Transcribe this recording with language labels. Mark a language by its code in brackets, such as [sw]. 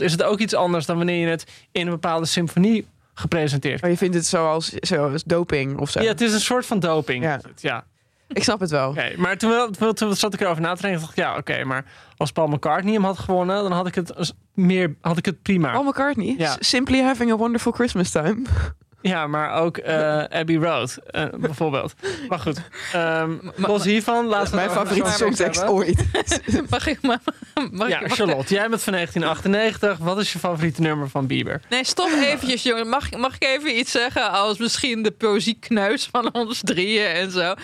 [nl] Is het ook iets anders dan wanneer je het in een bepaalde symfonie gepresenteerd krijgt? Je vindt het zoals doping of zo? Ja, het is een soort van doping. Ja. Ik snap het wel. Okay, maar toen zat ik erover na te denken. Dacht ik, ja, okay, maar als Paul McCartney hem had gewonnen, dan had ik het meer, had ik het prima. Paul McCartney? Ja. [en] Simply having a wonderful Christmas time. [nl] Ja, maar ook Abbey Road, bijvoorbeeld. Maar goed. Los hiervan, laatst mijn favoriete songtekst ooit. Mag ik maar? Charlotte, jij bent van 1998. Wat is je favoriete nummer van Bieber? Nee, stop eventjes, jongen. Mag ik even iets zeggen als misschien de poëziekneus van ons drieën en zo?